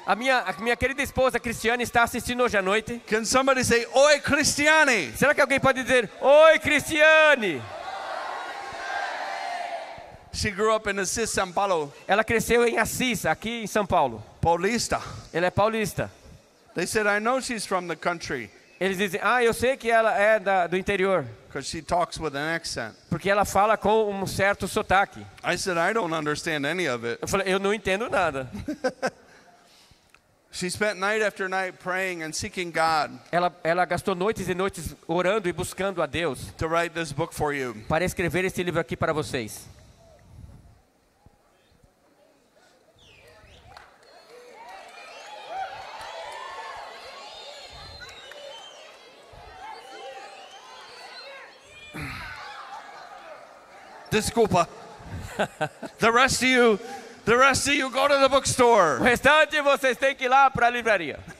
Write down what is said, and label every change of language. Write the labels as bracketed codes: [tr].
[pt] A minha querida esposa Christiane está assistindo hoje à noite. [en] Can somebody say, [pt] "Oi, [en] Christiane"? [pt] Será que alguém pode dizer, "Oi, Christiane"? [en] She grew up in Assis, São Paulo. [pt] Ela cresceu em Assis, aqui em São Paulo. Paulista. Ela é paulista. [en] They said, "I know she's from the country." [pt] Eles dizem: "Ah, eu sei que ela é da, do interior." [en] Because she talks with an accent. [pt] Porque ela fala com um certo sotaque. [en] I said, "I don't understand any of it." [pt] Eu falei: "Eu não entendo nada." [en] She spent night after night praying and seeking God. [pt] Ela gastou noites e noites orando e buscando a Deus. [en] To write this book for you. [pt] Para escrever este livro aqui para vocês. Desculpa. [en] The rest of you go to the bookstore. [pt] O restante vocês têm que ir lá para a livraria.